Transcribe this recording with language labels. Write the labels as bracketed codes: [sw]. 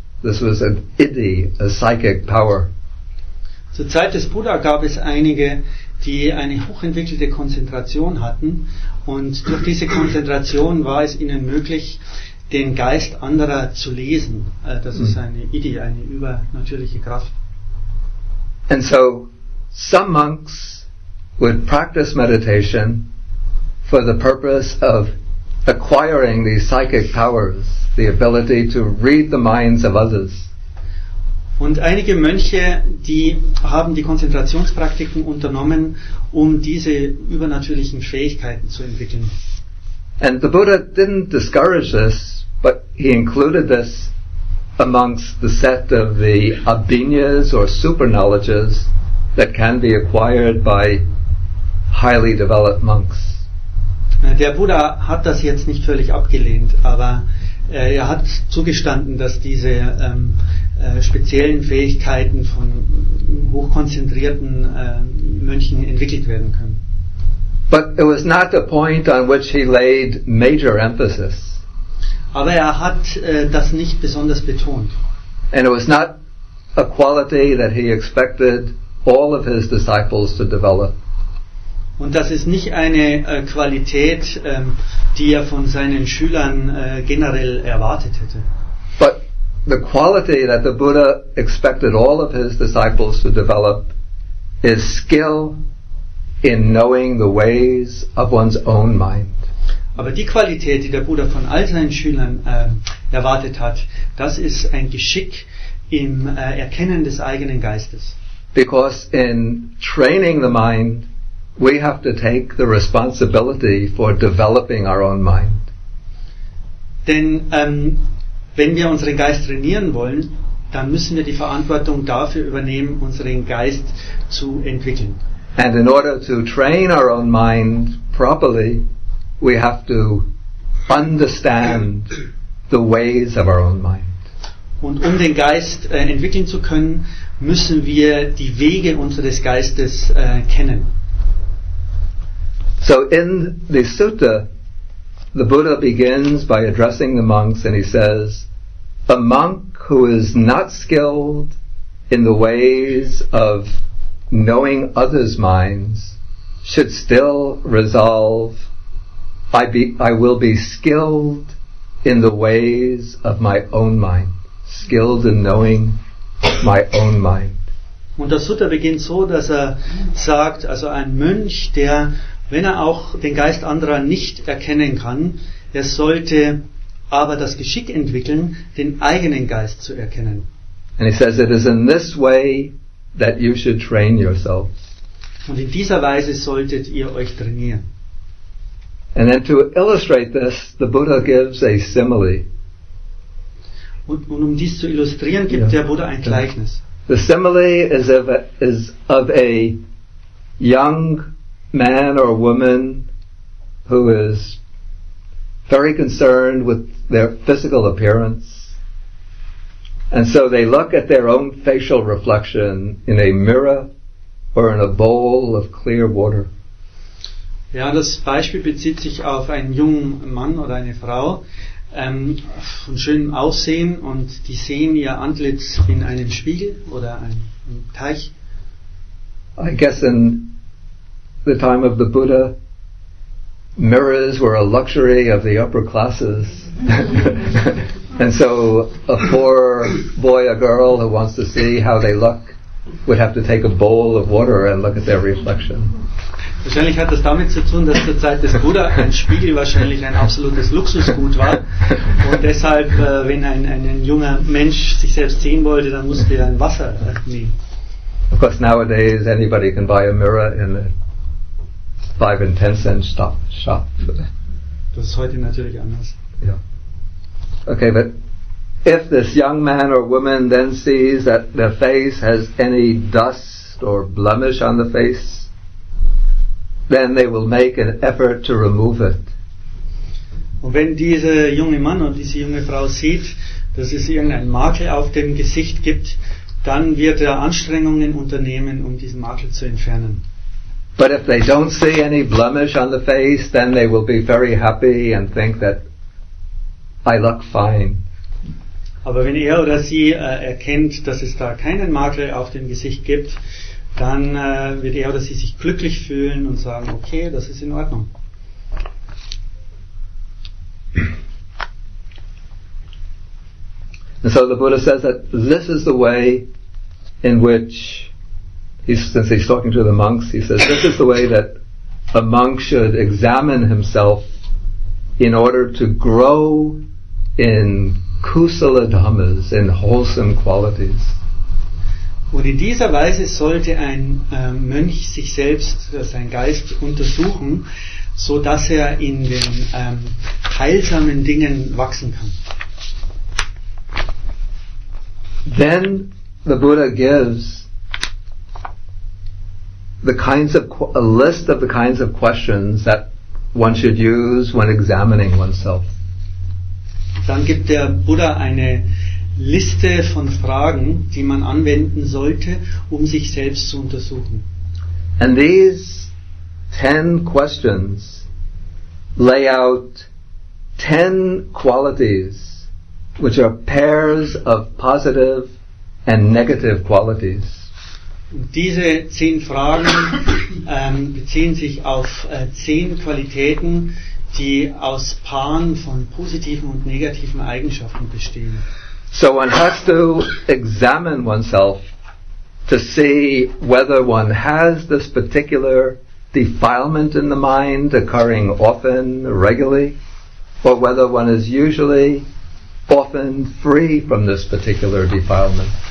[en] This was an iddhi, a psychic power. [de] Zur Zeit des Buddha gab es einige, die eine hochentwickelte Konzentration hatten, und durch diese Konzentration war es ihnen möglich, den Geist anderer zu lesen. Das ist eine Idee, eine übernatürliche Kraft. [en] And so some monks would practice meditation for the purpose of acquiring these psychic powers, the ability to read the minds of others. [de] Und einige Mönche, die haben die Konzentrationspraktiken unternommen, um diese übernatürlichen Fähigkeiten zu entwickeln. [en] And the Buddha didn't discourage this, but he included this amongst the set of the abhinyas or super-knowledges that can be acquired by highly developed monks. [de] Der Buddha hat das jetzt nicht völlig abgelehnt, aber er hat zugestanden, dass diese speziellen Fähigkeiten von hochkonzentrierten Mönchen entwickelt werden können. [en] But it was not the point on which he laid major emphasis. [de] Aber er hat das nicht besonders betont. [en] And it was not a quality that he expected all of his disciples to develop. [de] Und das ist nicht eine Qualität, die er von seinen Schülern generell erwartet hätte. [en] But the quality that the Buddha expected all of his disciples to develop is skill in knowing the ways of one's own mind. [de] Aber die Qualität, die der Buddha von all seinen Schülern erwartet hat, das ist ein Geschick im Erkennen des eigenen Geistes. [en] Because in training the mind, we have to take the responsibility for developing our own mind. [de] Denn wenn wir unseren Geist trainieren wollen, dann müssen wir die Verantwortung dafür übernehmen, unseren Geist zu entwickeln. [en] And in order to train our own mind properly, we have to understand the ways of our own mind. [de] Und um den Geist entwickeln zu können, müssen wir die Wege unseres Geistes kennen. [en] So in the sutta, the Buddha begins by addressing the monks and he says, a monk who is not skilled in the ways of knowing others' minds should still resolve, I will be skilled in the ways of my own mind. Skilled in knowing my own mind. [de] Und der Sutta beginnt so, dass er sagt, also ein Mönch, der, wenn er auch den Geist anderer nicht erkennen kann, er sollte aber das Geschick entwickeln, den eigenen Geist zu erkennen. [en] And he says, it is in this way that you should train yourself. [de] Und in dieser Weise solltet ihr euch trainieren. [en] And then to illustrate this, the Buddha gives a simile. [de] Und um dies zu illustrieren, gibt der Buddha ein Gleichnis. [en] The simile is of a young man or woman who is very concerned with their physical appearance. And so they look at their own facial reflection in a mirror or in a bowl of clear water. [de] Ja, das Beispiel bezieht sich auf einen jungen Mann oder eine Frau von schönem Aussehen und die sehen ihr Antlitz in einem Spiegel oder einem Teich. [en] I guess in the time of the Buddha, mirrors were a luxury of the upper classes. And so a poor boy or girl who wants to see how they look would have to take a bowl of water and look at their reflection. [de] Wahrscheinlich hat das damit zu tun, dass zur Zeit des Buddha ein Spiegel wahrscheinlich ein absolutes Luxusgut war. Und deshalb, wenn ein junger Mensch sich selbst sehen wollte, dann musste er ein Wasser nehmen. [en] Of course, nowadays anybody can buy a mirror in a 5 and 10 cent shop. [de] Das ist heute natürlich anders. Ja. [en] Okay, but if this young man or woman then sees that their face has any dust or blemish on the face, then they will make an effort to remove it. [de] Und wenn dieser junge Mann und diese junge Frau sieht, dass es irgendeinen Makel auf dem Gesicht gibt, dann wird er Anstrengungen unternehmen, um diesen Makel zu entfernen. [en] But if they don't see any blemish on the face, then they will be very happy and think that I look fine. [de] Aber wenn er oder sie erkennt, dass es da keinen Makel auf dem Gesicht gibt, dann wird er oder sie sich glücklich fühlen und sagen, okay, das ist in Ordnung. [en] And so the Buddha says that this is the way in which, since he's talking to the monks, he says this is the way that a monk should examine himself in order to grow in kusala dhammas, in wholesome qualities. [de] Und in dieser Weise sollte ein Mönch sich selbst, seinen Geist untersuchen, so dass er in den heilsamen Dingen wachsen kann. [en] Then the Buddha gives the kinds of a list of the kinds of questions that one should use when examining oneself. [de] Dann gibt der Buddha eine Liste von Fragen, die man anwenden sollte, um sich selbst zu untersuchen. [en] And these 10 questions lay out 10 qualities, which are pairs of positive and negative qualities. [de] Und diese 10 Fragen beziehen sich auf 10 Qualitäten, die aus Paaren von positiven und negativen Eigenschaften bestehen. [en] So one has to examine oneself to see whether one has this particular defilement in the mind occurring often, regularly, or whether one is usually often free from this particular defilement.